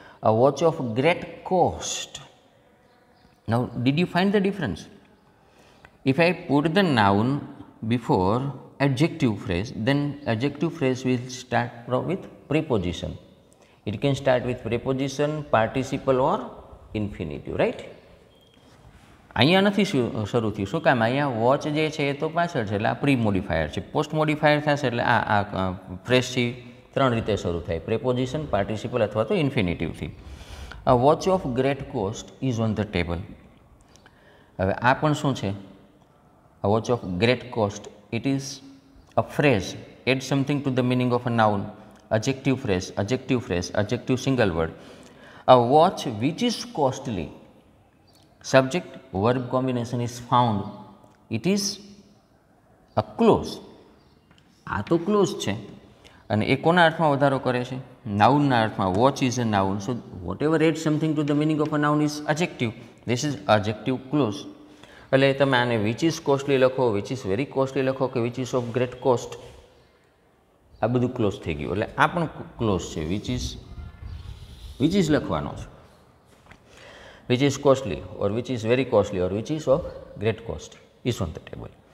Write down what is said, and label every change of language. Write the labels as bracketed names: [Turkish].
[English] A watch of great cost. Now, did you find the difference? If I put the noun before adjective phrase, then adjective phrase will start with preposition. It can start with preposition, participle or infinitive, right? [Gujarati] અહીંયા નથી શરૂ થયું, શું કામ? અહીંયા watch જે છે એ તો પાછળ છે, એટલે આ પ્રી મોડિફાયર છે. પોસ્ટ મોડિફાયર થશે એટલે આ આ ફ્રેશથી ત્રણ રીતે શરૂ થાય, પ્રેપોઝિશન, પાર્ટિસિપલ અથવા તો ઇન્ફિનિટિવથી. [English] A watch of great cost is on the table. [Gujarati] હવે આ પણ શું છે? [English] A watch of great cost, it is a phrase, add something to the meaning of a noun. Adjective phrase, adjective phrase, adjective single word. A watch which is costly, subject verb combination is found, it is a clause. [Gujarati] આ તો close છે, અને એ કોના અર્થમાં વધારો કરે છે? નાઉનના અર્થમાં. [English] Watch is a noun, so whatever add something to the meaning of a noun is adjective. This is adjective clause. [Gujarati] એટલે તમે આને વિચ ઇઝ કોસ્ટલી લખો, વિચ ઇઝ વેરી કોસ્ટલી લખો, કે which ease of great cost, આ બધું close થઈ ગયું. એટલે આ પણ ક્લોઝ છે. [English] which is [Gujarati] લખવાનો છે, [English] which is costly or which is very costly or which is of great cost is on the table.